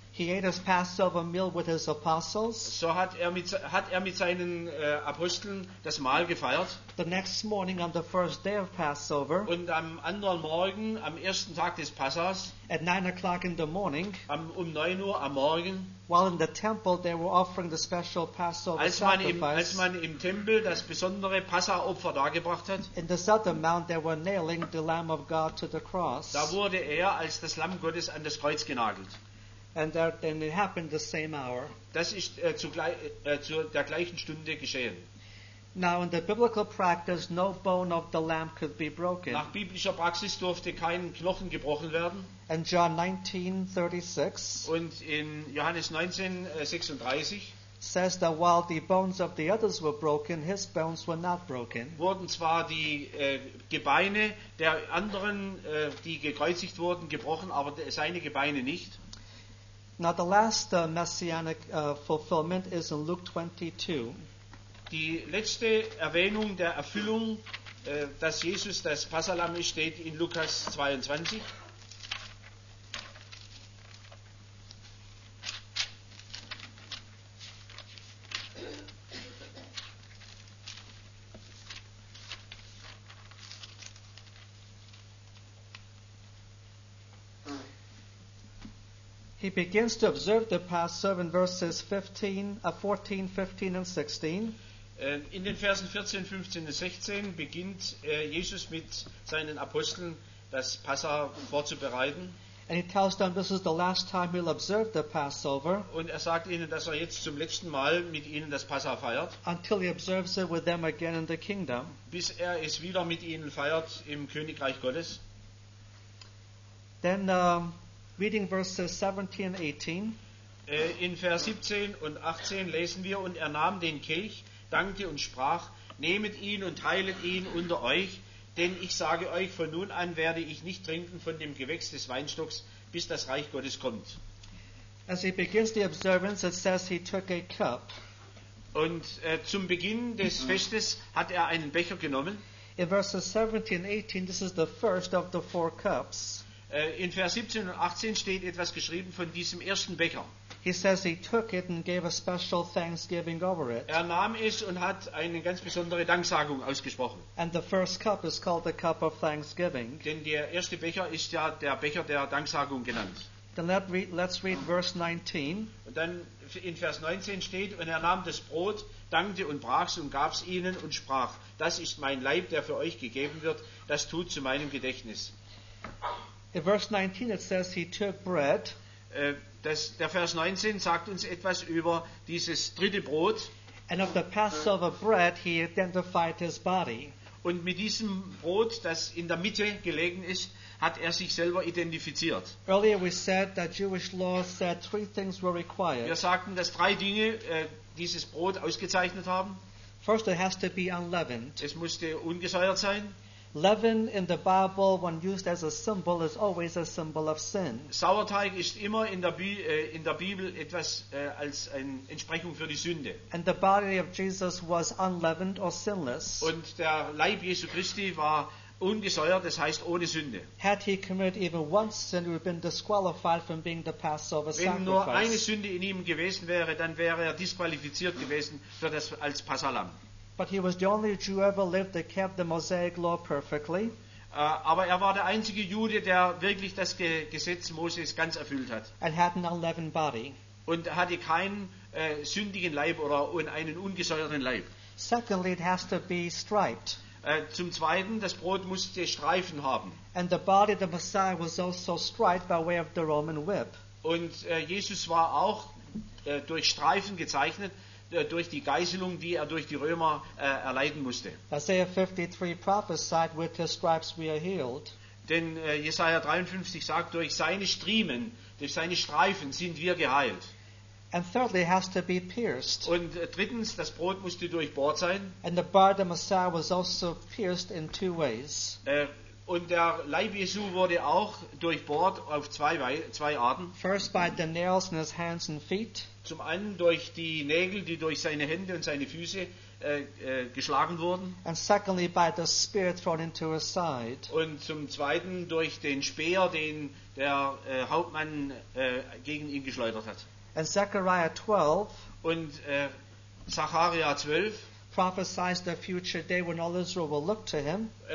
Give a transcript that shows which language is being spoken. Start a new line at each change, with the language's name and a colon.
English: he ate his Passover meal with his apostles.
German: So hat er mit seinen Aposteln das Mahl gefeiert.
English: The next morning on the first day of Passover.
German: Und am anderen Morgen, am ersten Tag des Passas.
English: At 9 o'clock in the morning.
German: Um 9 Uhr am Morgen.
English: While in the temple they were offering the special Passover sacrifice.
German: Als man im Tempel das besondere Passa-Opfer dargebracht hat.
English: In the southern mount they were nailing the Lamb of God to the cross.
German: Da wurde er als das Lamm Gottes an das Kreuz genagelt.
English: And then it happened the same hour.
German: Das ist zu der gleichen Stunde geschehen.
English: Now in the biblical practice, no bone of the lamb could be broken.
German: Nach biblischer Praxis durfte kein Knochen gebrochen werden.
English: And John 19:36.
German: Und in Johannes 19:36.
English: Says that while the bones of the others were broken, his bones were not broken.
German: Wurden zwar die Gebeine der anderen, die gekreuzigt wurden, gebrochen, aber seine Gebeine nicht.
English: Now the last messianic fulfillment is in Luke 22.
German: Die letzte Erwähnung der Erfüllung, dass Jesus das Passahlamm ist, steht in Lukas 22.
English: He begins to observe the Passover in verses 14, 15 and 16.
German: In den Versen 14, 15 und 16 beginnt Jesus mit seinen Aposteln das Passa vorzubereiten.
English: And he tells them this is the last time he'll observe the Passover.
German: Und er sagt ihnen, dass er jetzt zum letzten Mal mit ihnen das Passa feiert.
English: Until he observes it with them again in the kingdom.
German: Bis er es wieder mit ihnen feiert im Königreich Gottes.
English: Then reading verses 17 and 18.
German: In Vers 17 und 18 lesen wir, und er nahm den Kelch, dankte und sprach, nehmet ihn und teilet ihn unter euch, denn ich sage euch, von nun an werde ich nicht trinken von dem Gewächs des Weinstocks, bis das Reich Gottes kommt.
English: As he begins the observance, it says he took a cup.
German: Und zum Beginn des Festes hat er einen Becher genommen.
English: In verses 17 and 18, this is the first of the four cups.
German: In Vers 17 und 18 steht etwas geschrieben von diesem ersten Becher.
English: He says he took it and gave a special thanksgiving over it.
German: Er nahm es und hat eine ganz besondere Danksagung ausgesprochen.
English: And the first cup is called the cup of thanksgiving.
German: Denn der erste Becher ist ja der Becher der Danksagung genannt.
English: Then let's read verse 19.
German: Und dann in Vers 19 steht, und er nahm das Brot, dankte und brach es und gab es ihnen und sprach, das ist mein Leib, der für euch gegeben wird, das tut zu meinem Gedächtnis.
English: In verse 19 it says he took bread.
German: Der Vers 19 sagt uns etwas über dieses dritte Brot.
English: And of the Passover bread he identified his body.
German: Und mit diesem Brot, das in der Mitte gelegen ist, hat er sich selber identifiziert.
English: Earlier we said that Jewish law said three things were required.
German: Wir sagten, dass drei Dinge dieses Brot ausgezeichnet haben.
English: First, it has to be unleavened.
German: Es musste ungesäuert sein.
English: Leaven in the Bible, when used as a symbol, is always a symbol of sin.
German: Sauerteig ist immer in der Bibel etwas als eine Entsprechung für die Sünde.
English: And the body of Jesus was unleavened or sinless.
German: Und der Leib Jesu Christi war ungesäuert, das heißt ohne Sünde.
English: Had he committed even one sin, he would have been disqualified from being the Passover sacrifice.
German: Wenn nur eine Sünde in ihm gewesen wäre, dann wäre er disqualifiziert gewesen für das als Passahlamm.
English: But he was the only Jew ever lived that kept the Mosaic law perfectly.
German: Aber er war der einzige Jude, der wirklich das Gesetz Moses ganz erfüllt hat.
English: And had an unleavened body.
German: Und hatte keinen sündigen Leib oder einen ungesäuerten Leib.
English: Secondly, it has to be striped.
German: Zum Zweiten, das Brot musste Streifen haben.
English: And the body of the Messiah was also striped by way of the Roman whip.
German: Und Jesus war auch durch Streifen gezeichnet, durch die Geißelung, die er durch die Römer erleiden musste.
English: Isaiah 53 prophesied, with his stripes we are healed.
German: Denn Jesaja 53 sagt, durch seine Striemen, durch seine Streifen sind wir geheilt.
English: And thirdly, it has to be pierced.
German: Und drittens, das Brot musste durchbohrt sein.
English: And the body of the Messiah was also pierced in two ways.
German: Und der Leib Jesu wurde auch durchbohrt auf zwei Arten.
English: First by the nails in his hands and feet.
German: Zum einen durch die Nägel, die durch seine Hände und seine Füße geschlagen wurden.
English: And secondly by the spear thrown into his side.
German: Und zum zweiten durch den Speer, den der Hauptmann gegen ihn geschleudert hat.
English: And Zechariah 12.
German: Und Zacharia 12
English: prophesies the future day when all Israel will look to him.